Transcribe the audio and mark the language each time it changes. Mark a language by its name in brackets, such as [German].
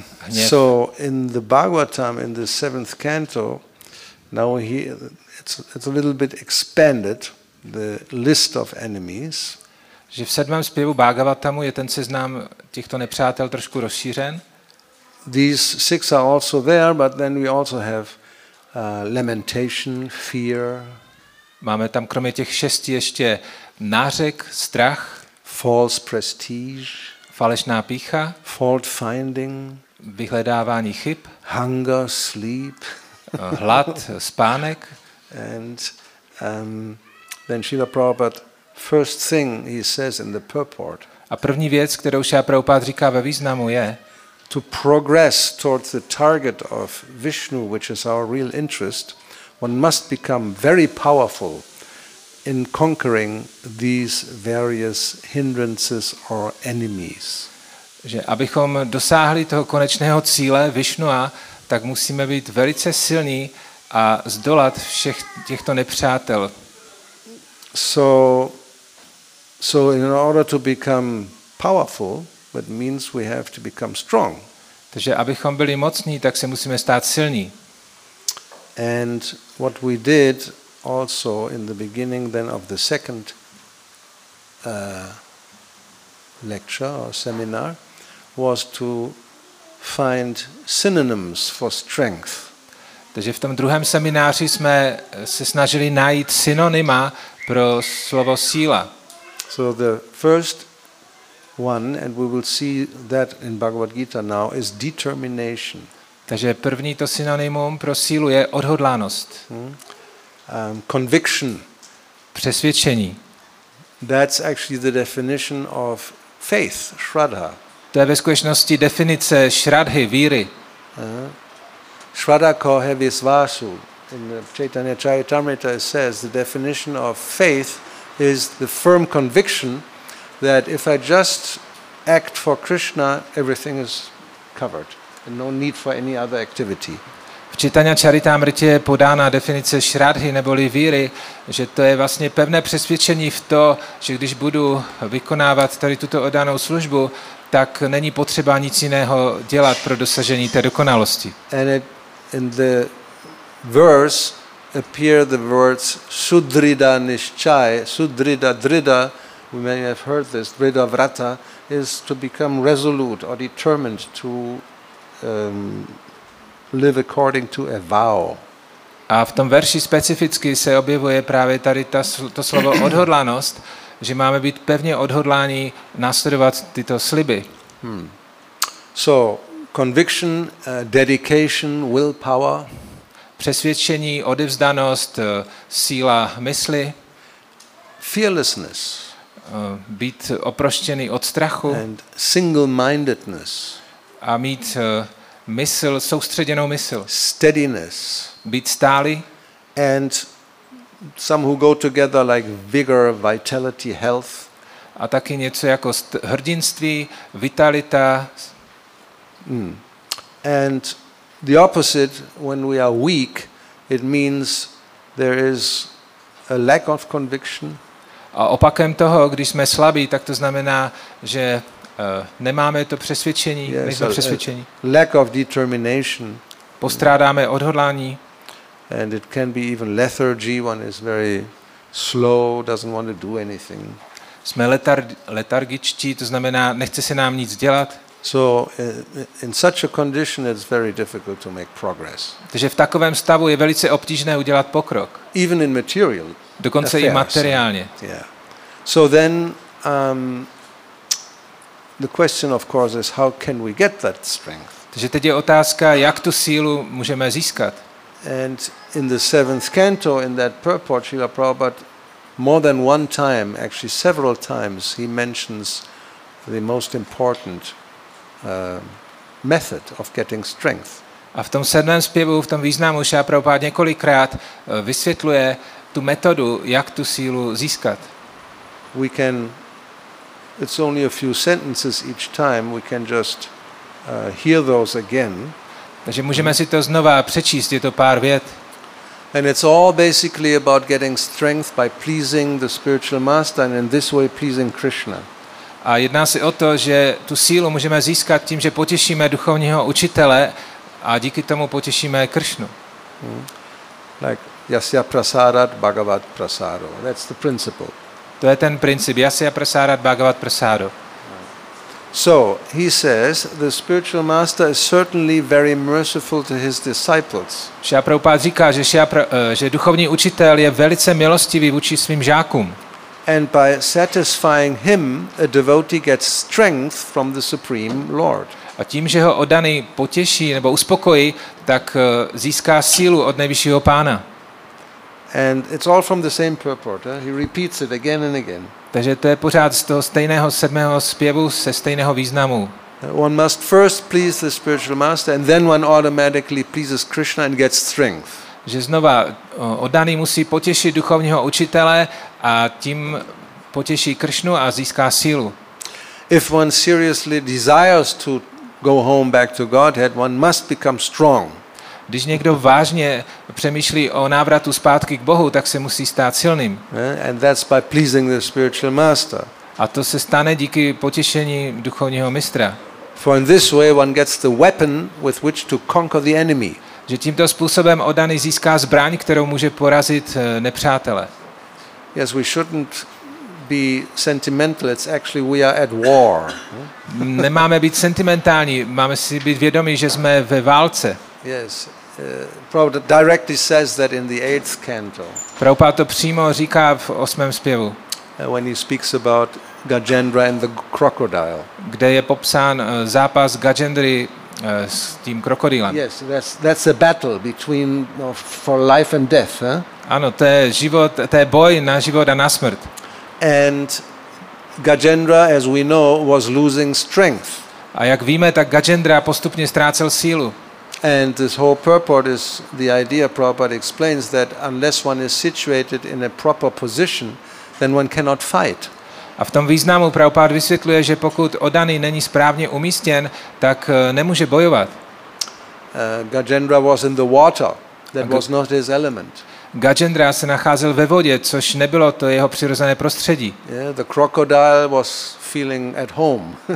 [English] So in the Bhagavatam in the seventh canto, now he it's a little bit expanded the list of enemies. [Czech] Že v sedmém zpěvu Bhagavatamu je ten seznam těchto nepřátel trošku rozšířen. [English] These 6 are also there, but then we also have lamentation, fear. [Czech] Máme tam kromě těch 6 ještě nářek, strach, [English] false prestige. [Czech] Falešná pýcha, [English] fault finding, [Czech] vyhledávání chyb, [English] hunger, sleep, [Czech] hlad, spánek. [English] And then Srila Prabhupada, first thing he says in the purport. [Czech] A první věc, kterou Srila Prabhupada říká ve významu, je [English] to progress towards the target of Vishnu, which is our real interest, one must become very powerful in conquering these various hindrances or enemies. [Czech] Že abychom dosáhli toho konečného cíle Višnua, tak musíme být velice silní a zdolat všech těchto nepřátel. [English] So in order to become powerful, that means we have to become strong. [Czech] Takže abychom byli mocní, tak se musíme stát silní. [English] And what we did also in the beginning then of the second lecture or seminar was to find synonyms for strength. [Czech] Takže v tom druhém semináři jsme se snažili najít synonyma pro slovo síla. [English] So the first one, and we will see that in Bhagavad Gita now, is determination. [Czech] Takže první to synonymum pro sílu je odhodlánost. [English] Conviction, [Czech] přesvědčení. [English] That's actually the definition of faith, shraddha. [Czech] To je ve skutečnosti definice šradhy, víry. [Bangla] Shraddha kohe visvasu. [English] In the Chaitanya Charitamrita it says the definition of faith is the firm conviction that if I just act for Krishna, everything is covered and no need for any other activity. [Czech] Čitania Charitamrity je podána definice šradhy neboli víry, že to je vlastně pevné přesvědčení v to, že když budu vykonávat tady tuto oddanou službu, tak není potřeba nic jiného dělat pro dosažení té dokonalosti. [English] And in the verse appear the words sudrida nischaya, sudrida drida, we may have heard this, drida vrata, is to become resolute or determined to live according to a vow. [Czech] A v tom verši specificky se objevuje právě tady to slovo odhodlanost, že máme být pevně odhodláni následovat tyto sliby. [English] So, conviction, dedication, willpower. [Czech] Přesvědčení, odevzdanost, síla mysli. [English] Fearlessness. [Czech] Být oproštěný od strachu. [English] And single-mindedness. [Czech] A mít mysl, soustředěnou mysl. [English] Steadiness. [Czech] Být stálý. [English] And some who go together like vigor, vitality, health. [Czech] A taky něco jako hrdinství, vitalita. [English] And the opposite, when we are weak, it means there is a lack of conviction. [Czech] A opakem toho, když jsme slabí, tak to znamená, že nemáme to přesvědčení, nejsme přesvědčení. [English] Lack of determination. [Czech] Postrádáme odhodlání. [English] And it can be even lethargy, one is very slow, doesn't want to do anything. [Czech] Jsme letargičtí, to znamená, nechce se nám nic dělat. [English] So in such a condition it's very difficult to make progress. [Czech] Takže v takovém stavu je velice obtížné udělat pokrok. [English] Even in material. [Czech] Dokonce i materiálně. [English] Yeah. So then the question of course is how can we get that strength? [Czech] Takže teď je otázka, jak tu sílu můžeme získat. [English] And in the seventh canto in that purport Srila Prabhupada more than one time, actually several times, he mentions the most important method of getting strength. [Czech] A v tom sedmém zpěvu, v tom významu Srila Prabhupada několikrát vysvětluje tu metodu, jak tu sílu získat. [English] We can, it's only a few sentences each time, we can just hear those again. [Czech] Takže můžeme si to znova přečíst, je to pár vět. [English] And it's all basically about getting strength by pleasing the spiritual master and in this way pleasing Krishna. [Czech] A jedná se o to, že tu sílu můžeme získat tím, že potěšíme duchovního učitele a díky tomu potěšíme Kršnu. [English] Like [Sanskrit] yasya prasarat bhagavat prasaro. [English] That's the principle. [Czech] To je ten princip [Sanskrit] yasya prasarat bhagavat prasaro. [English] So, he says, the spiritual master is certainly very merciful to his disciples. [Czech] Srila Prabhupada říká, že duchovní učitel je velice milostivý vůči svým žákům. [English] And by satisfying him, a devotee gets strength from the Supreme Lord. [Czech] A tím, že ho oddaný potěší nebo uspokojí, tak získá sílu od nejvyššího pána. [English] And it's all from the same purport. Eh? He repeats it again and again. [Czech] Takže to je pořád z toho stejného sedmého zpěvu se stejného významu. [English] One must first please the spiritual master and then one automatically pleases Krishna and gets strength. [Czech] Že znova oddaný musí potěšit duchovního učitele a tím potěší Krishnu a získá sílu. [English] If one seriously desires to go home back to Godhead, one must become strong. [Czech] Když někdo vážně přemýšlí o návratu zpátky k Bohu, tak se musí stát silným. [English] And that's by pleasing the spiritual master. [Czech] A to se stane díky potěšení duchovního mistra. [English] For in this way one gets the weapon with which to conquer the enemy. [Czech] Že tímto způsobem oddaný získá zbraň, kterou může porazit nepřátele. [English] Yes, we shouldn't be sentimental. It's actually we are at war. [Czech] Nemáme být sentimentální, máme si být vědomí, že jsme ve válce. [English] Yes. Prabhupada directly says that in the eighth canto. [Czech] Prabhupada to přímo říká v osmém zpěvu. [English] When he speaks about Gajendra and the crocodile. [Czech] Kde je popsán zápas Gajendry s tím krokodýlem. [English] Yes, that's a battle between for life and death, huh? [Czech] Ano, to je život, to je boj na život a na smrt. [English] And Gajendra, as we know, was losing strength. [Czech] A jak víme, tak Gajendra postupně ztrácel sílu. [English] And this whole purport is the idea Prabhupada explains that unless one is situated in a proper position, then one cannot fight. [Czech] A v tom významu Prabhupada vysvětluje, že pokud oddaný není správně umístěn, tak nemůže bojovat. [English] Gajendra was in the water. That was not his element. [Czech] Gajendra se nacházel ve vodě, což nebylo to jeho přirozené prostředí. [English] Yeah, the crocodile was feeling at home.